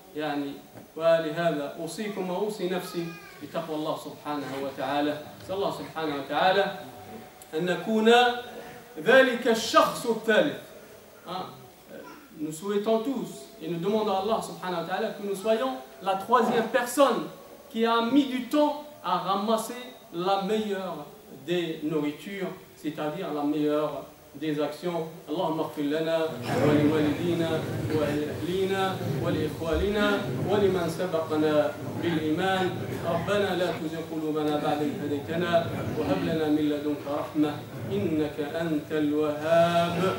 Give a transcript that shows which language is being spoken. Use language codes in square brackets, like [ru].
[ar] يعني ولهذا أوصيكم وأوصي نفسي بتقوى الله سبحانه وتعالى. أسأل الله سبحانه وتعالى أن نكون ذلك الشخص الثالث. [fr] Nous souhaitons tous et nous demandons à Allah سبحانه وتعالى que nous soyons la troisième personne qui a mis du temps à ramasser la meilleure des nourritures, c'est-à-dire la meilleure des actions. [ar] اللهم اغفر لنا ولوالدينا ولأهلينا ولإخواننا ولمن سبقنا بالإيمان. ربنا لا تزغ قلوبنا بعد إذ هديتنا وهب لنا من لدنك رحمة إنك أنت الوهاب.